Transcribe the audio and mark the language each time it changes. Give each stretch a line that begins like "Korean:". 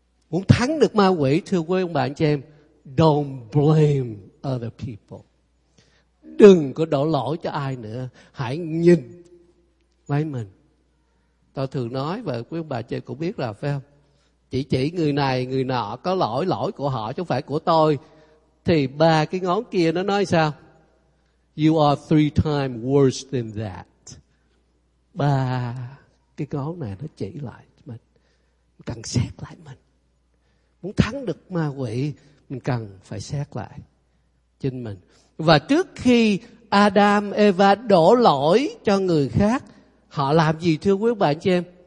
Vietnamese: Muốn thắng được ma quỷ, thưa quý ông bà anh chị em,
English: don't blame other people.
Vietnamese: Đừng có đổ lỗi cho ai nữa. Hãy nhìn lấy mình. Tôi thường nói và quý ông bà chị cũng biết là phải không? Chỉ người này người nọ có lỗi, lỗi của họ chứ không phải của tôi. Thì ba cái ngón kia nó nói sao?
English: You are three times worse than that.
Vietnamese: Ba cái ngón này nó chỉ lại mình. Cần xét lại mình. Muốn thắng được ma quỷ, mình cần phải xét lại chính mình. Và trước khi Adam, Eva đổ lỗi cho người khác, họ làm gì thưa quý bạn chị em?